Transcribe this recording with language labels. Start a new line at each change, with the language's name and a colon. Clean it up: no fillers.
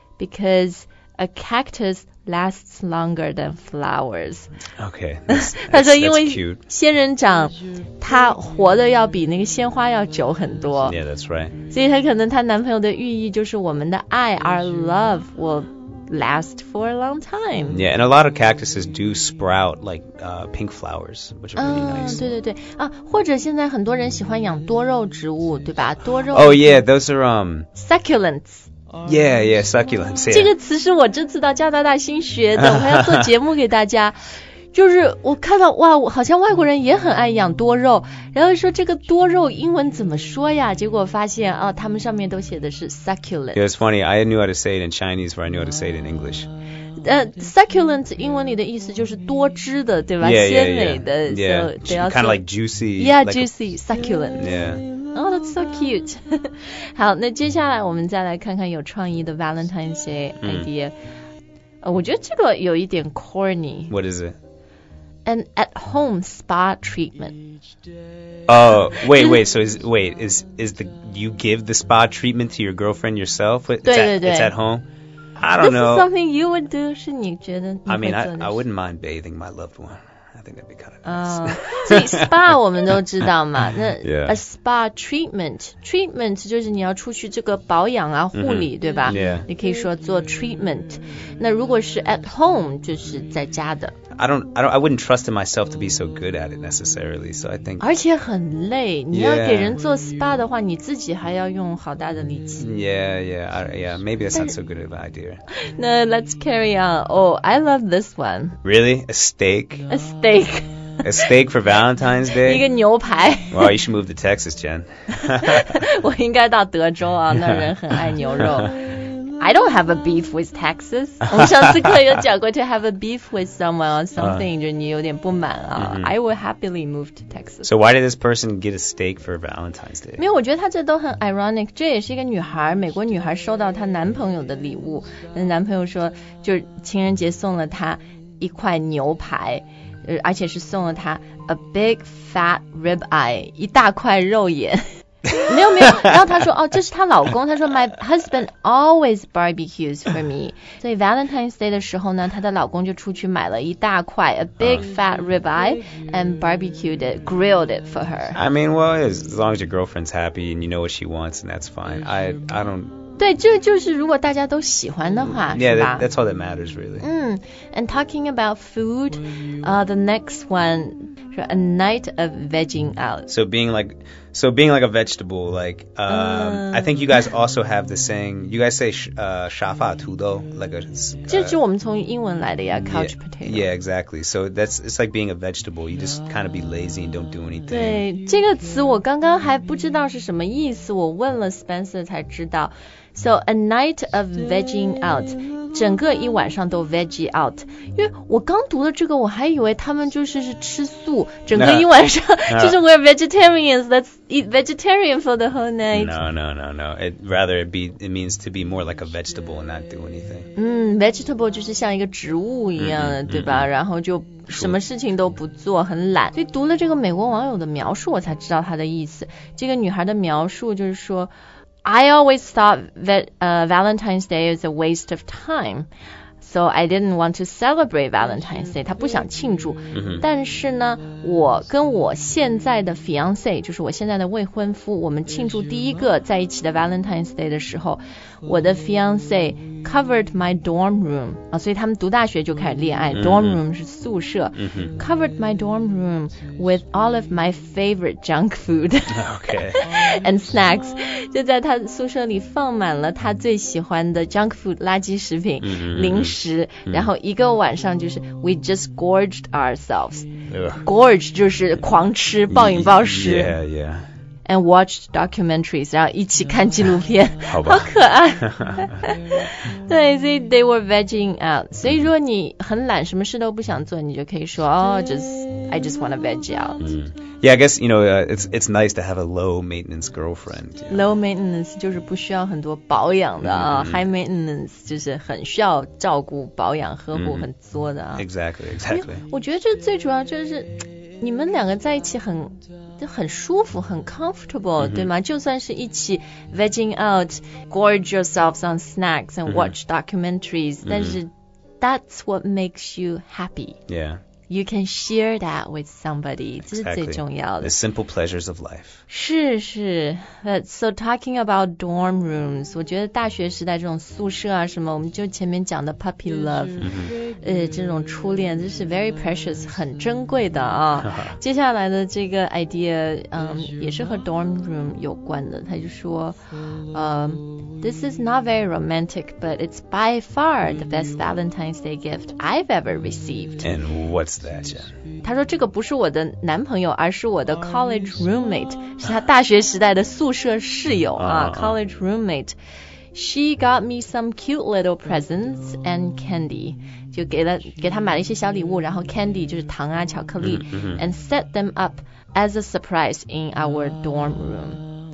English: Because a cactus... lasts longer than flowers. Okay, that's,
Chinese: 他说因为仙人掌它活的要比那个鲜花要久很多。
English: Yeah, that's right.
Chinese: 所以他可能他男朋友的寓意就是我们的爱
English: our love will last for a long time. Yeah, and a lot of cactuses do sprout like、pink flowers, which are really nice.
Chinese: 对对对、或者现在很多人喜欢养多肉植物对吧多肉。
English: Oh yeah, those are、 succulents. Yeah, succulents, yeah.
Chinese: 这个词是我这次到加拿大新学的我要做节目给大家就是我看到哇我好像外国人也很爱养多肉然后说这个多肉英文怎么说呀结果发现啊他们上面都写的是 succulent.
English: Yeah, it's funny, I knew how to say it in Chinese but I knew how to say it in English.
Chinese: Succulent 英文里的意思就是多汁的对吧鲜美的。
English: Kind of like juicy. Yeah, like juicy, a... succulent. Yeah. Oh, that's so cute.
Chinese: 好，那接下来我们再来看看有创意的 Valentine's Day idea.、我觉得这个有一点 corny.
English: What is it? An at-home spa treatment. Oh, wait, so is the, you give the spa treatment to your girlfriend yourself? It's
Chinese: 对对对。
English: It's at home? I don't know. This is something you would do,
Chinese: 是你觉得你
English: I mean, I wouldn't mind bathing my loved one. I think that'd be kind of nice.
Chinese: 所以 SPA 我们都知道嘛那 a SPA treatment treatment 就是你要出去这个保养啊护理、对吧、你可以说做 treatment 那如果是 at home 就是在家的
English: I wouldn't trust in myself to be so good at it necessarily so I think
Chinese: 而且很累你要给人做 SPA 的话你自己还要用好大的力气
English: maybe that's not so good of an idea no let's carry on oh I love this one really a steak a steak A steak for Valentine's Day?
Chinese: 一个牛排。
English: Wow, you should move to Texas, Jen.
Chinese: 我应该到德州啊，那人很爱牛肉。
English: I don't have a beef with Texas.
Chinese: 我们上次课有讲过
English: to have a beef with someone or something,
Chinese: 就你有点不满啊。
English: I would happily move to Texas. So why did this person get a steak for Valentine's Day?
Chinese: 没有，我觉得他这都很 ironic. 这也是一个女孩，美国女孩收到她男朋友的礼物。男朋友说，就是情人节送了她一块牛排。而且是送了他
English: a big fat rib eye
Chinese: 一大块肉眼没有没有，然后他说哦，这是他老公，他说
English: My husband always barbecues for me.
Chinese: 所以 Valentine's Day 的时候呢，他的老公就出去买了一大块
English: a big fat ribeye and barbecued it, grilled it for her. I mean, well, as long as your girlfriend's happy and you know what she wants, and that's fine. I don't.
Chinese: 对，这就是如果大家都喜欢的话， yeah, 是吧？
English: That's all that matters, really. And talking about food, the next one. A night of vegging out. So being like a vegetable, like, I think you guys also have the saying, you guys say, shafa tudo, like a,
Chinese: 这就我们从英文来的呀, couch potato.
English: Yeah, exactly. So that's, it's like being a vegetable. You just kind of be lazy and don't do anything.
Chinese: 对,这个词我刚刚还不知道是什么意思,我问了 Spencer 才知道。
English: So a night of vegging out.
Chinese: 整个一晚上都 veggie out 因为我刚读了这个我还以为他们就是吃素整个一晚上 就是
English: we're vegetarians let's eat vegetarian for the whole night No it means to be more like a vegetable and not do anything
Chinese: vegetable 就是像一个植物一样的、对吧然后就什么事情都不做很懒所以读了这个美国网友的描述我才知道他的意思这个女孩的描述就是说
English: I always thought that Valentine's Day is a waste of time, so I didn't want to celebrate Valentine's Day.
Chinese: 她不想庆祝、但是呢，我跟我现在的 fiancé, 就是我现在的未婚夫，我们庆祝第一个在一起的 Valentine's Day 的时候，我的 fiancé
English: covered my dorm room.
Chinese: 啊，所以他们读大学就开始恋爱、dorm room 是宿舍、
English: covered my dorm room with all of my favorite junk food. Okay. and snacks.
Chinese: 就在他宿舍里放满了他最喜欢的 junk food, 垃圾食品、零食、然后一个晚上就是
English: we just gorged ourselves.
Chinese: Gorge 就是狂吃暴饮暴食。
English: Yeah, yeah. And watched documentaries,
Chinese: 然后一起看纪录片，好吧，好可爱。对，所以
English: they were vegging out.
Chinese: 所以如果你很懒，什么事都不想做，你就可以说，
English: I just want to veg out. Yeah, I guess, you know, it's nice to have a low maintenance girlfriend. Yeah.
Chinese: Low maintenance 就是不需要很多保养的啊、high maintenance 就是很需要照顾、保养、呵护、很作的啊。
English: Exactly.
Chinese: 我觉得这最主要就是你们两个在一起很。就很舒服很 comfortable、对吗就算是一起 vegging out
English: gorge yourselves on snacks and watch documentaries、
Chinese: 但是
English: that's what makes you happy yeah you can share that with somebody、 exactly.
Chinese: 这是最重要的
English: the simple pleasures of life
Chinese: 是是 so talking about dorm rooms 我觉得大学时代这种宿舍啊什么我们就前面讲的 puppy love、这种初恋这是
English: very precious
Chinese: 很珍贵的啊接下来的这个 idea、也是和 dorm room 有关的他就说、
English: This is not very romantic but it's by far the best Valentine's Day gift I've ever received And what's that, Jen?
Chinese: 他说这个不是我的男朋友而是我的 college roommate 是他大学时代的宿舍室友啊 college roommate
English: She got me some cute little presents and candy
Chinese: 就给他买了一些小礼物然后 candy 就是糖啊巧克力、
English: and set them up as a surprise in our dorm room